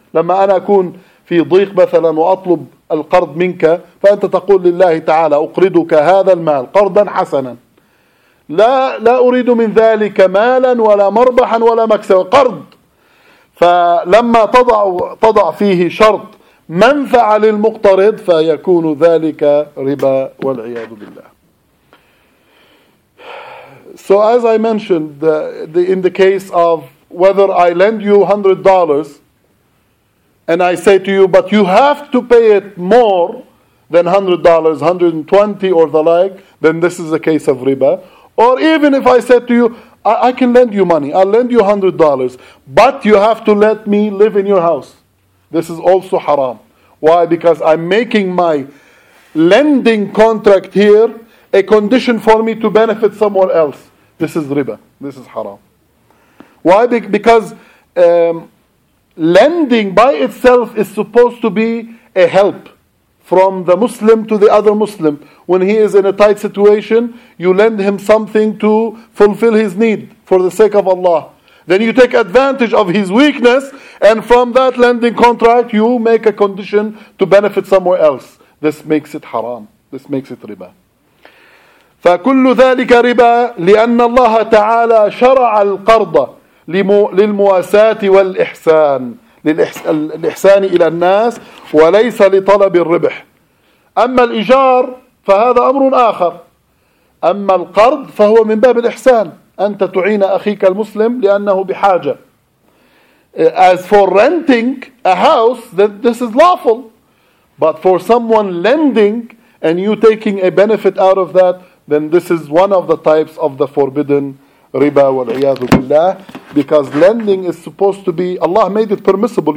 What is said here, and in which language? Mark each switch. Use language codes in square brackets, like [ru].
[ar] لما أنا أكون في ضيق مثلا وأطلب القرض منك فأنت تقول لله تعالى أقرضك هذا المال قرضا حسنا، لا أريد من ذلك مالا ولا مربحا ولا مكسبا، قرض. فلما تضع فيه شرط منفعة للمقترض فيكون ذلك ربا والعياذ بالله. [en] So as I mentioned, in the case of whether I lend you $100 and I say to you, but you have to pay it more than $100, $120 or the like, then this is a case of riba. Or even if I said to you, I can lend you money, I'll lend you $100, but you have to let me live in your house. This is also haram. Why? Because I'm making my lending contract here a condition for me to benefit someone else. This is riba. This is haram. Why? Because lending by itself is supposed to be a help from the Muslim to the other Muslim. When he is in a tight situation, you lend him something to fulfill his need for the sake of Allah. Then you take advantage of his weakness, and from that lending contract, you make a condition to benefit somewhere else. This makes it haram. This makes it riba. [ar] فكل ذلك ربا لأن الله تعالى شرع القرض للمواساة والإحسان للإحسان إلى الناس وليس لطلب الربح. أما الإيجار فهذا أمر آخر، أما القرض فهو من باب الإحسان، أنت تعين أخيك المسلم لأنه بحاجة. [en] As for renting a house, then this is lawful. But for someone lending and you taking a benefit out of that, then this is one of the types of the forbidden riba [ar] wal-iyadu billah. [en] Because lending is supposed to be, Allah made it permissible.